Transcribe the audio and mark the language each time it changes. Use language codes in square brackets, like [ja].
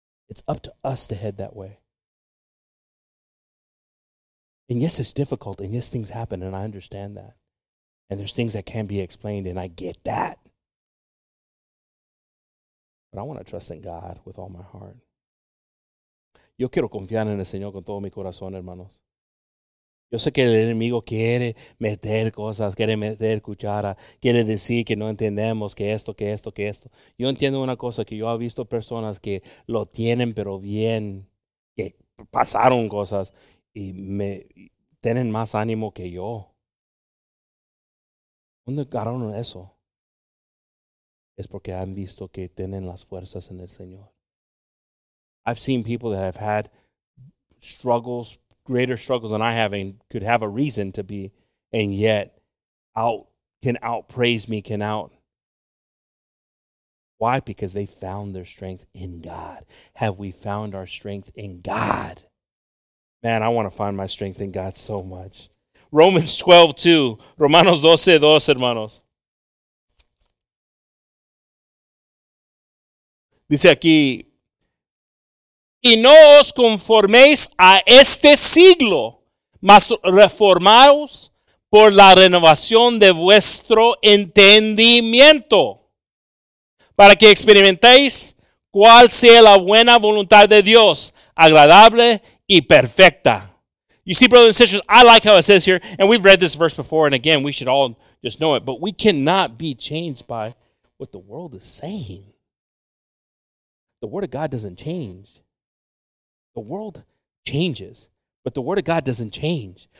[en] It's up to us to head that way. And yes, it's difficult, and yes, things happen, and I understand that. And there's things that can be explained, and I get that. But I want to trust in God with all my heart. [es] Yo quiero confiar en el Señor con todo mi corazón, hermanos. Yo sé que el enemigo quiere meter cosas, quiere meter cuchara, quiere decir que no entendemos, que esto. Yo entiendo una cosa, que yo he visto personas que lo tienen, pero bien, que pasaron cosas y me tienen más ánimo que yo. ¿Dónde agarraron eso? Es porque han visto que tienen las fuerzas en el Señor. [en] I've seen people that have had struggles, greater struggles than I have, and could have a reason to be, and yet can out praise me. Why? Because they found their strength in God. Have we found our strength in God? Man, I want to find my strength in God so much. Romans 12:2. [es] Romanos 12:2, hermanos. Dice aquí, y no os conforméis a este siglo, mas reformaos por la renovación de vuestro entendimiento, para que experimentéis cuál sea la buena voluntad de Dios, agradable y perfecta. [en] You see, brothers and sisters, I like how it says here, and we've read this verse before, and again, we should all just know it, but we cannot be changed by what the world is saying. The Word of God doesn't change. The world changes, but the Word of God doesn't change.